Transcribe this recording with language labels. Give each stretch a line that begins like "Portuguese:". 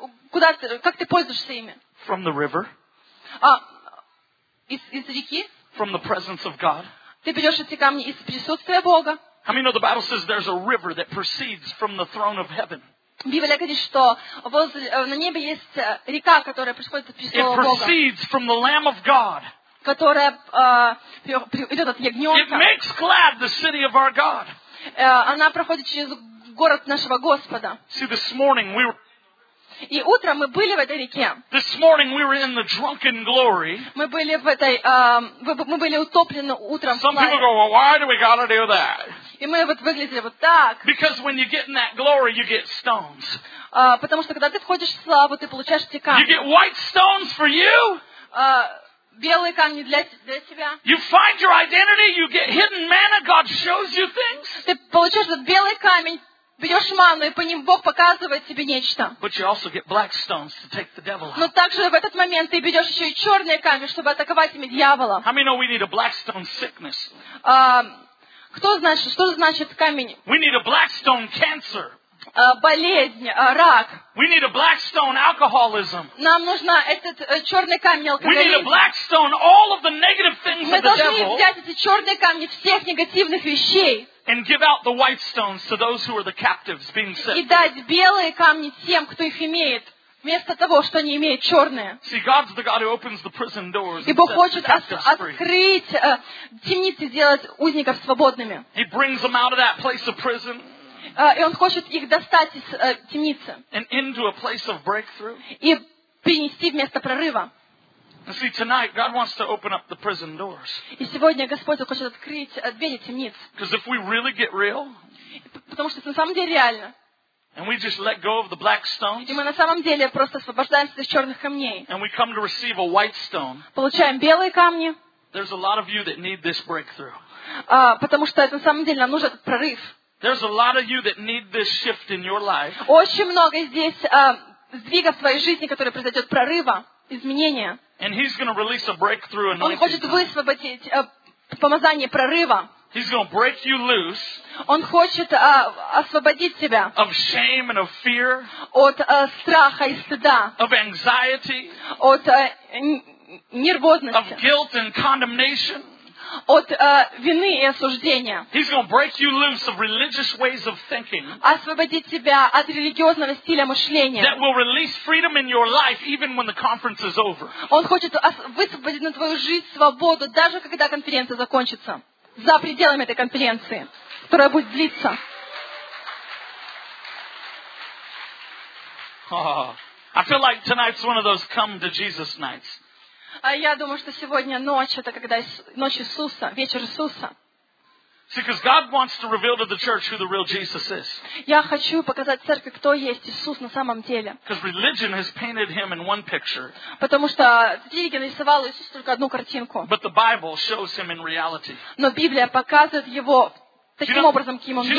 Russian: Куда ты, как ты пользуешься ими?
English: From the river.
Russian: Из реки?
English: From the presence of God.
Russian: Ты берешь эти камни из присутствия Бога.
English: How many know the Bible says there's a river that proceeds from the throne of heaven?
Russian: Библия говорит, что на небе есть река, которая происходит от престола Бога, которая идет от ягненка. Она проходит через город нашего Господа.
English: See, this morning we were...
Russian: И утром мы были в этой реке.
English: This morning we were in the drunken glory.
Russian: Мы были в этой, мы были утоплены утром.
English: Some people go, "Well, why do we got to do that?"
Russian: И мы вот выглядели вот так.
English: Because when you get in that glory, you get stones.
Russian: Потому что когда ты входишь в славу, ты получаешь эти камни.
English: You get white stones for you.
Russian: Белые камни для тебя.
English: You find your identity, you get hidden manna, God shows you things.
Russian: Ты получаешь этот белый камень. Берешь ману, и по ним Бог показывает тебе нечто.
English: But you also get black stones to take the devil out.
Russian: Но также в этот момент ты берешь еще и черные камни, чтобы атаковать ими дьявола.
English: How many know we need a black stone sickness?
Russian: Кто знает, что значит камень?
English: We need a black stone cancer.
Russian: Болезнь, рак.
English: We need a black stone alcoholism.
Russian: Нам нужно этот черный камень алкоголизм.
English: We need a black stone all of the negative things of the devil.
Russian: Мы должны взять эти черные камни всех негативных вещей.
English: And give out the white stones to those who are the captives being set.
Russian: И дать белые камни тем, кто их имеет, вместо того, что они имеют черные.
English: See, God's the God who opens the prison doors.
Russian: И Бог хочет открыть темницы, сделать узников свободными.
English: He brings them out of that place of prison.
Russian: И он хочет их достать из темницы.
English: And into a place of breakthrough.
Russian: И принести вместо прорыва.
English: See, tonight God wants to open up the prison doors.
Russian: И сегодня Господь хочет открыть двери темниц.
English: Because if we really get real,
Russian: потому что на самом деле реально.
English: And we just let go of the black stones.
Russian: И мы на самом деле просто освобождаемся из черных камней.
English: And we come to receive a white stone.
Russian: Получаем белые камни.
English: There's a lot of you that need this breakthrough.
Russian: Потому что это на самом деле нам нужен прорыв.
English: There's a lot of you that need this shift in your life.
Russian: Очень много здесь сдвига в твоей жизни, который произойдет прорыва, изменения.
English: And he's going to release a breakthrough anointing.
Russian: Он хочет высвободить помазание прорыва.
English: He's going to break you loose.
Russian: Он хочет освободить тебя.
English: Of shame and of fear.
Russian: От страха и стыда.
English: Of anxiety.
Russian: От нервозности.
English: Of guilt and condemnation.
Russian: От вины и осуждения.
English: He's going to break you loose of religious ways of thinking.
Russian: Освободить тебя от религиозного стиля мышления.
English: That will release freedom in your life even when the conference is over.
Russian: Он хочет высвободить на твою жизнь свободу, даже когда конференция закончится. За пределами этой конференции, которая будет длиться.
English: I feel like tonight's one of those come to Jesus nights.
Russian: А я думаю, что сегодня ночь, это когда ночь Иисуса, вечер Иисуса.
English: See, because God wants to reveal to the church who the real Jesus is.
Russian: Я хочу показать церкви, кто есть Иисус на самом деле.
English: Because religion has painted him in one picture.
Russian: Потому что религия нарисовала Иисуса только одну картинку.
English: But the Bible shows him in reality.
Russian: Но Библия показывает его таким образом, каким он есть.